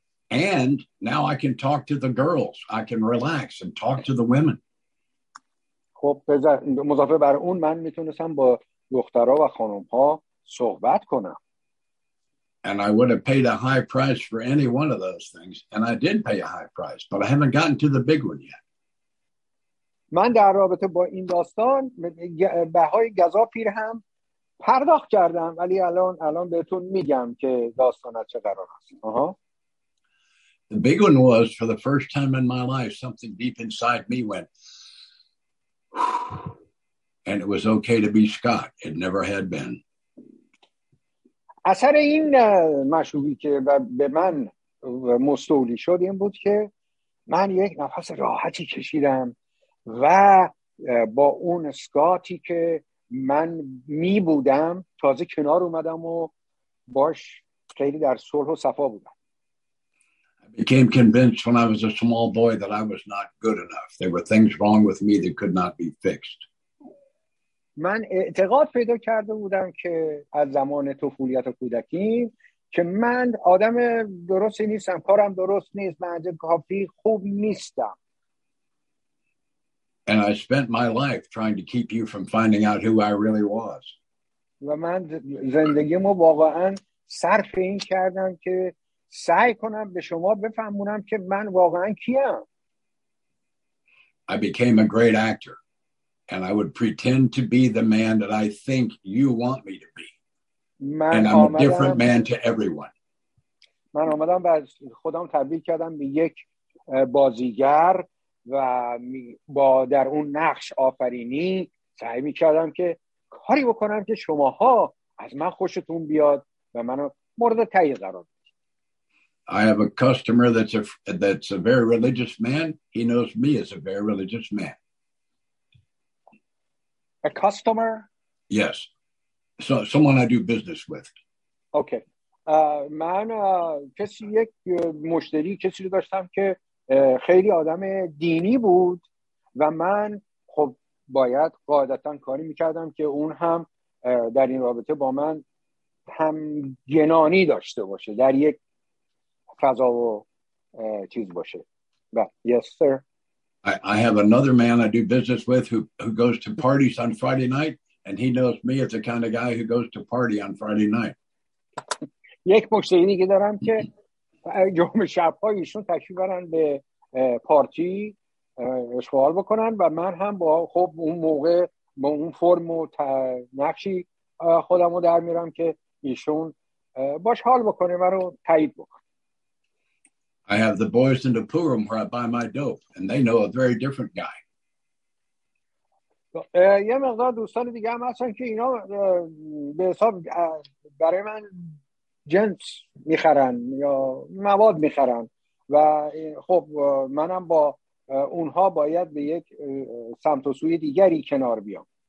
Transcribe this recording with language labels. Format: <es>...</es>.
<en>And now I can talk to the girls. I can relax and talk to the women.</en> <fa>خب مضافه بر اون من میتونستم با دخترها و خانمها صحبت کنم.</fa> <en>And I would have paid a high price for any one of those things. And I did pay a high price, but I haven't gotten to the big one yet.</en> <fa>من در رابطه با این داستان بهای گزافی رو هم پرداخت کردم، ولی الان بهتون میگم که داستان از چه قرار است.</fa> <en>The big one was, for the first time in my life, something deep inside me went, and it was okay to be Scott. It never had been.</en> <fa>اثر این مشروبی که به من مستولی شد این بود که من یک نفس راحتی کشیدم و با اون اسکاتی که من می بودم تازه کنار اومدم و باش خیلی در صلح و صفا بودم.</fa> <en>I became convinced when I was a small boy that I was not good enough. There were things wrong with me that could not be fixed.</en> <fa>من اعتقاد پیدا کرده بودم که از زمان طفولیت و کودکی که من آدم درستی نیستم، کارم درست نیست، من اندازه کافی خوب نیستم.</fa> <en>And I spent my life trying to keep you from finding out who I really was.</en> <fa>و من زندگیمو واقعا صرف این کردم که سعی کنم به شما بفهمونم که من واقعا کیم.</fa> <en>I became a great actor. And I would pretend to be the man that I think you want me to be.</en> <fa>من</fa> <en>And I'm a different man to everyone.</en> <fa>من آمدم و از خودم تبدیل کردم به یک بازیگر و با در اون نقش آفرینی سعی می کردم که کاری بکنم که شماها از من خوشتون بیاد و منو مورد تایید قرار بدید.</fa> <en>I have a customer that's a very religious man. He knows me as a very religious man. A customer? Yes. So someone I do business with. Okay.</en> <fa>من کسی یک مشتری کسی رو داشتم که خیلی آدم دینی بود و من خب باید قاعدتا کاری میکردم که اون هم در این رابطه با من هم گنانی داشته باشه، در یک فضا و چیز باشه.</fa> <en>Yes, sir. I have another man I do business with who goes to parties on Friday night, and he knows me as the kind of guy who goes to party on Friday night.</en> <fa>یک مشتری دیگه دارم که جمعه شب‌ها ایشون تشریف برن به پارتی اشغال بکنن و من هم با خب اون موقع با اون فرم و نقشی خودمو در میارم که ایشون باش حال بکنه، منو تایید بکنه.</fa> <en>I have the boys in the pool room where I buy my dope, and they know a very different guy.</en> <fa>یه مقدار دوستان دیگه هم هستن که اینا به حساب برای من جنس میخرن یا مواد میخرن و خب منم با اونها باید به یک سمت و سوی دیگری کنار بیام.</fa>